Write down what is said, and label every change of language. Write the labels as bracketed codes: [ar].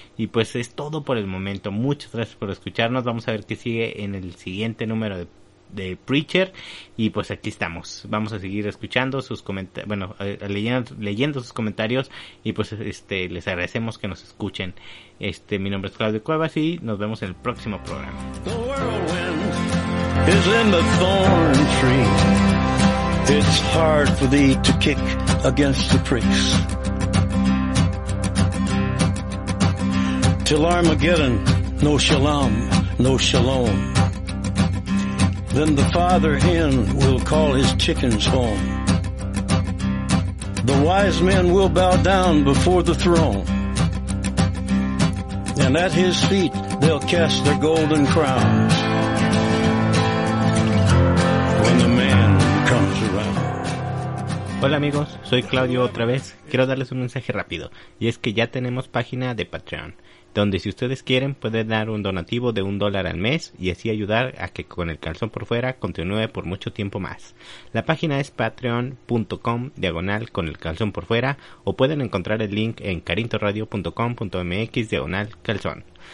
[es] Y pues es todo por el momento. Muchas gracias por escucharnos. Vamos a ver qué sigue en el siguiente número de de Preacher, y pues aquí estamos. Vamos a seguir escuchando sus comentarios, bueno, leyendo sus comentarios, y pues les agradecemos que nos escuchen. Mi nombre es Claudio Cuevas y nos vemos en el próximo programa. [en] The whirlwind is in the thorn tree. It's hard for thee to kick against the pricks. Till Armageddon, no shalom, no shalom. Then the father hen will call his chickens home. The wise men will bow down before the throne. And at his feet they'll cast their golden crowns. When the man comes around. [es] Hola amigos, soy Claudio otra vez. Quiero darles un mensaje rápido. Y es que ya tenemos página de Patreon, donde si ustedes quieren pueden dar un donativo de $1 al mes y así ayudar a que Con el Calzón por Fuera continúe por mucho tiempo más. La página es patreon.com/conelcalzonporfuera o pueden encontrar el link en carintoradio.com.mx/calzón.